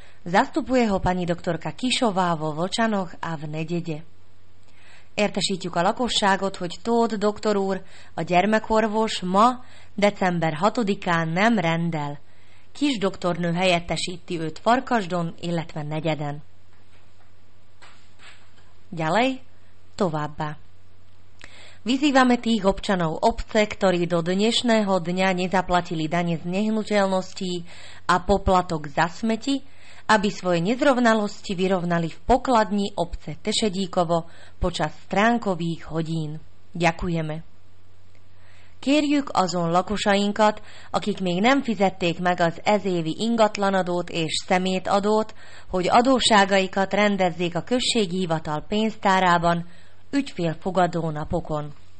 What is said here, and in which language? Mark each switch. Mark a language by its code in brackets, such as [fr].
[sk] Zastupuje ho pani doktorka Kisová vo Vlčanoch a v Nedede. [hu] Értesítjük a lakosságot, hogy Tóth doktor úr a gyermekorvos ma december 6-án nem rendel. Kis doktornő helyettesíti őt Farkasdon, illetve Negyeden. [sk] Ďalej, [hu] továbbá. [sk] Vyzývame tých občanov obce, ktorí do dnešného dňa nezaplatili dane z nehnuteľností a poplatok za smeti, aby svoje nezrovnalosti vyrovnali v pokladni obce Tešedíkovo počas stránkových hodín. Ďakujeme. [hu] Kérjük azon lakosainkat, akik még nem fizették meg az ezévi ingatlanadót és szemétadót, hogy adósságaikat rendezzék a községi hivatal pénztárában, ügyfélfogadó napokon.